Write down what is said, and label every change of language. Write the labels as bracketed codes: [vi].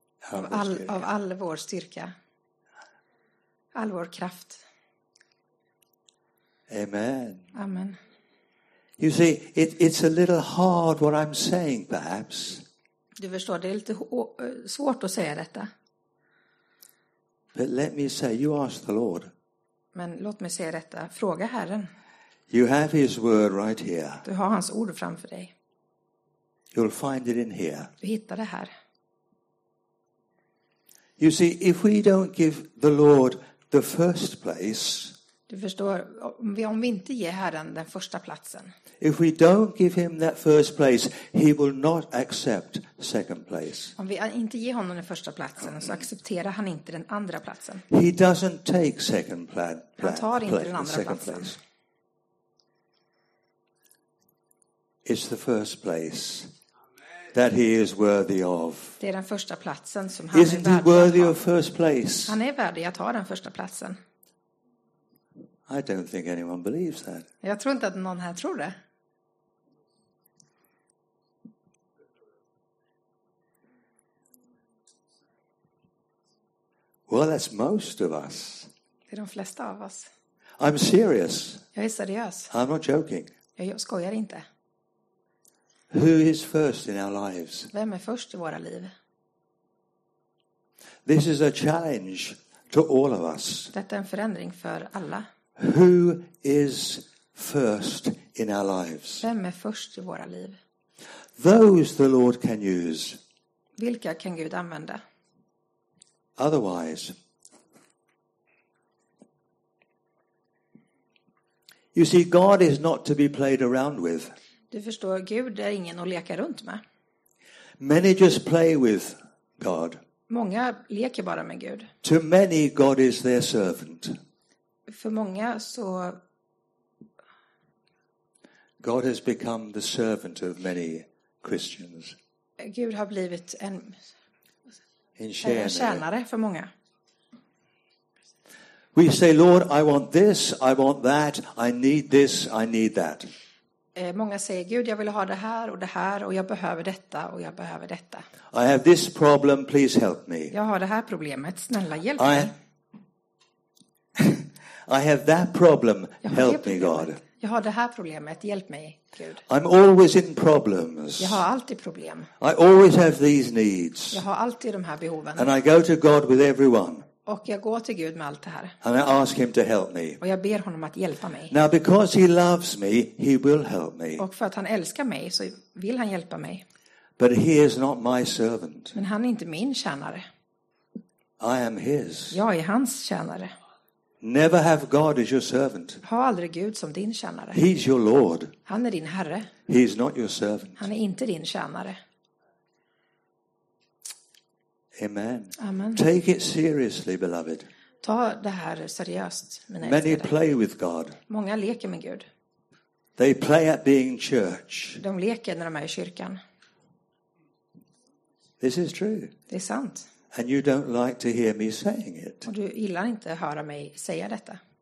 [sv] Av all vår styrka. All vår kraft. [en] Amen. [sv] Amen. [en] You see, it's a little hard what I'm saying, perhaps. [sv] Du förstår, det är lite svårt att säga detta. [en] But let me say, you ask the Lord. [sv] Men låt mig säga detta. Fråga Herren. [en] You have his word right here. [sv] Du har hans ord framför dig. [en] You'll find it in here. [sv] Du hittar det här. [en] You see, if we don't give the Lord the first place, [sv] du förstår, om vi inte ger Herren den första platsen. [en] If we don't give him that first place, he will not accept second place. [sv] Om vi inte ger honom den första platsen, så accepterar han inte den andra platsen. [en] He doesn't take second place. [sv] Han tar inte den andra platsen. [en] Place. It's the first place that he is worthy of. [sv] Det är den första platsen som han [en] Isn't he worthy of first place? [sv] Han är värdig att ha den första platsen. [en] I don't think anyone believes that. [sv] Jag tror inte att någon här tror det. [en] Well, that's most of us. [sv] Det är de flesta av oss. [en] I'm serious. [sv] Jag är seriös. [en] I'm not joking. [sv] Jag skojar inte. [en] Who is first in our lives? [sv] Vem är först i våra liv? [en] This is a challenge to all of us. [sv] Detta är en förändring för alla. [en] Who is first in our lives? [sv] Vem är först i våra liv? [en] Those the Lord can use. [sv] Vilka kan Gud använda? [en] Otherwise. You see, God is not to be played around with. [sv] Du förstår, Gud är ingen att leka runt med. [en] Many just play with God. [sv] Många leker bara med Gud. [en] To many, God is their servant. [sv] För många så [en] God has become the servant of many Christians. [sv] Gud har blivit en tjänare för många. [en] We say, Lord, I want this, I want that, I need this, I need that. [sv] Många säger, Gud, jag vill ha det här och det här och jag behöver detta och jag behöver detta. [en] I have this problem, please help me. [sv] Jag har det här problemet, snälla hjälp mig. [en] I have that problem. Help me, God. [sv] Jag har det här problemet. Hjälp mig, Gud. [en] I'm always in problems. [sv] Jag har alltid problem. [en] I always have these needs. [sv] Jag har alltid de här behoven. [en] And I go to God with everyone. [sv] Och jag går till Gud med allt det här. [en] And I ask him to help me. [sv] Och jag ber honom att hjälpa mig. [en] Now because he loves me, he will help me. [sv] Och för att han älskar mig så vill han hjälpa mig. [en] But he is not my servant. [sv] Men han är inte min tjänare. [en] I am his. [sv] Jag är hans tjänare. [en] Never have God as your servant. [sv] Ha aldrig Gud som din tjänare. [en] He's your Lord. [sv] Han är din herre. [en] He's not your servant. [sv] Han är inte din tjänare. [en] Amen. [sv] Amen. [en] Take it seriously, beloved. [sv] Ta det här seriöst, mina älskade. [en] Many play with God. [sv] Många leker med Gud. [en] They play at being church. [sv] De leker när de är i kyrkan. [en] This is true. [sv] Det är sant. [en] And you don't like to hear me saying it. [sv] Och du gillar inte att höra mig säga detta.